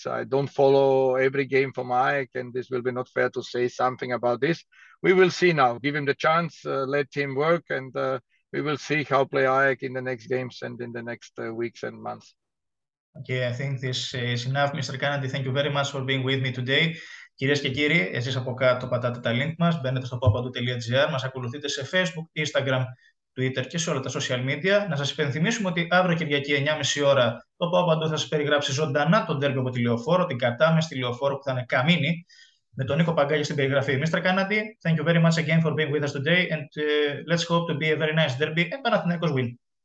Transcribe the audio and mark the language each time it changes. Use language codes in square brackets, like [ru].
[en] I don't follow every game from Ajax, and this will be not fair to say something about this. We will see now. Give him the chance, let him work, and we will see how play Ajax in the next games and in the next weeks and months. Okay, I think this is enough, Mr. Kanadi. Thank you very much for being with me today. [el] Κυρίες και κύριοι, εσείς από κάτω πατάτε τα link μας, μπαίνετε στο papadou.gr, μας ακολουθείτε σε Facebook, Instagram, Twitter και σε όλα τα social media. Να σας υπενθυμίσουμε ότι αύριο Κυριακή 9.30 ώρα το Παπαντού θα σας περιγράψει ζωντανά τον ντέρμπι από τη Λεωφόρο, την κατάμεστη Λεωφόρο που θα είναι καμίνη, με τον Νίκο Παγκάλια στην περιγραφή. [en] Mr. Kanadi, thank you very much again for being with us today and let's hope to be a very nice derby and Panathinaikos win.